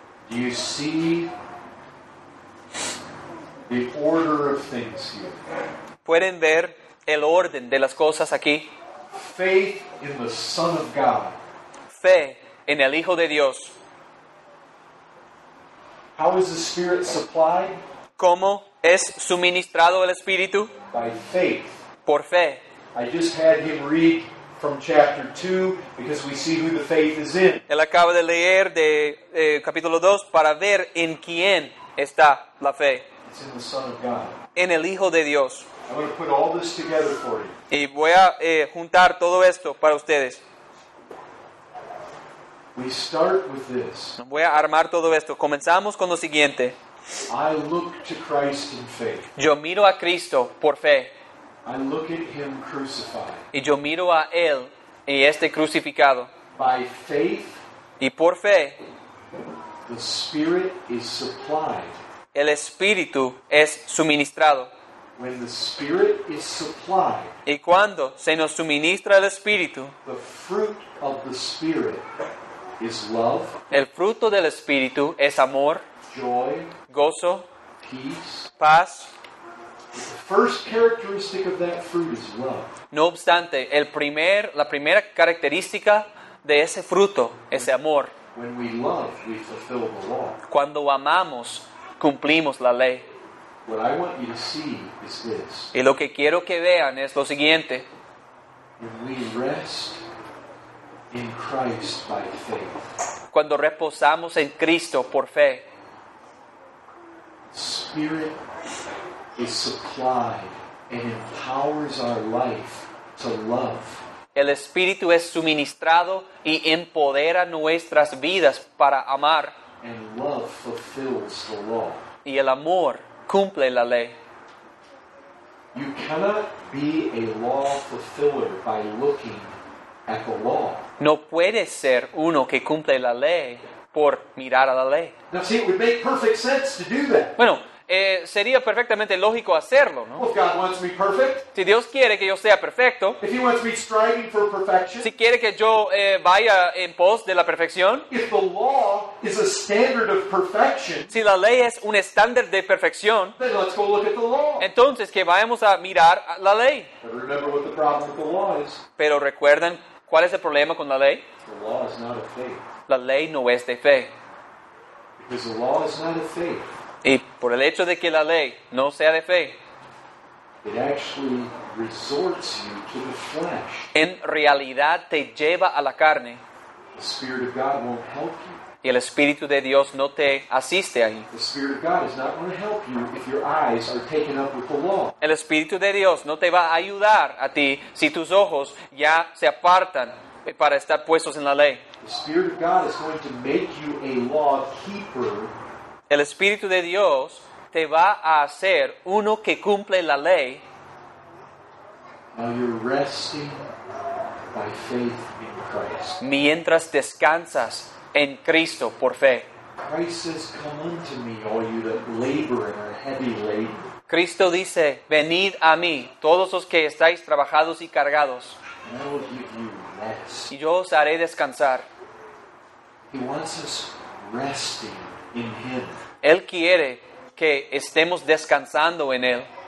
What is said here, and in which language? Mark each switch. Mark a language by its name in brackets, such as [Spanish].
[English] Do you see the order of things here? [Spanish] ¿Pueden ver el orden de las cosas aquí? [English] Faith in the Son of God. [Spanish] Fe en el Hijo de Dios. [English] How is the Spirit supplied? [Spanish] ¿Cómo es suministrado el Espíritu? [English] By faith. [Spanish] Por fe. [English] I just had him read from chapter 2 because we see who the faith is in. [Spanish] Él acaba de leer de capítulo 2 para ver en quién está la fe. [English] It's in the Son of God. [Spanish] En el Hijo de Dios. [English] I'm going to put all this together for you. [Spanish] Y voy a juntar todo esto para ustedes. [English] We start with this. [Spanish] Voy a armar todo esto. Comenzamos con lo siguiente. [English] I look to Christ in faith. [Spanish] Yo miro a Cristo por fe. [English] I look at him crucified. [Spanish] Y yo miro a Él y este crucificado. [English] By faith, [Spanish] y por fe, [English] the Spirit is supplied. [Spanish] El Espíritu es suministrado. [English] When the Spirit is supplied, [Spanish] y cuando se nos suministra el Espíritu, [English] the fruit of the Spirit is love, [Spanish] el fruto del Espíritu es amor, [English] joy, [Spanish] gozo, [English] peace, [Spanish] paz. [English] The first characteristic of that fruit is love. [Spanish] No obstante, la primera característica de ese fruto es amor. [English] When we love, we fulfill the law. [Spanish] Cuando amamos, cumplimos la ley. [English] What I want you to see is this. [Spanish] Y lo que quiero que vean es lo siguiente. [English] When we rest in Christ by faith. [Spanish] Cuando reposamos en Cristo por fe. [English] Spirit is supplied and empowers our life to love. [Spanish] El Espíritu es suministrado y empodera nuestras vidas para amar. [English] And love fulfills the law. [Spanish] Y el amor cumple la ley. [English] You cannot be a law fulfiller by looking at the law. [Spanish] No puedes ser uno que cumple la ley por mirar a la ley. [English] Now see, it would make perfect sense to do that. [Spanish] Bueno, sería perfectamente lógico hacerlo, ¿no? [English] Well, if God wants me perfect, [Spanish] si Dios quiere que yo sea perfecto, [English] if he wants me striving for perfection, [Spanish] si quiere que yo vaya en pos de la perfección, [English] if the law is a standard of perfection, [Spanish] si la ley es un estándar de perfección, [English] then let's go look at the law. [Spanish] Entonces que vayamos a mirar la ley. [English] But remember what the problem with the law is. [Spanish] Pero recuerden, ¿cuál es el problema con la ley? [English] The law is not a faith. [Spanish] La ley no es de fe. [English] Because the law is not a faith. [Spanish] Y por el hecho de que la ley no sea de fe, [English] it actually resorts you to the flesh. [Spanish] En realidad te lleva a la carne. [English] The Spirit of God won't help you. [Spanish] Y el Espíritu de Dios no te asiste ahí. [English] The Spirit of God is not going to help you if your eyes are taken up with the law. [Spanish] El Espíritu de Dios no te va a ayudar a ti si tus ojos ya se apartan para estar puestos en la ley. [English] The Spirit of God is going to make you a law keeper. [Spanish] El Espíritu de Dios te va a hacer uno que cumple la ley. [English] Now you're resting by faith in Christ. [Spanish] Mientras descansas en Cristo por fe. [English] Christ says, "Come unto me, all you that labor and are heavy laden." [Spanish] Cristo dice, "Venid a mí, todos los que estáis trabajados y cargados." [English] And I will give you rest. [Spanish] Y yo os haré descansar. [English] He wants us resting in him. [Spanish] Él quiere que estemos descansando en Él.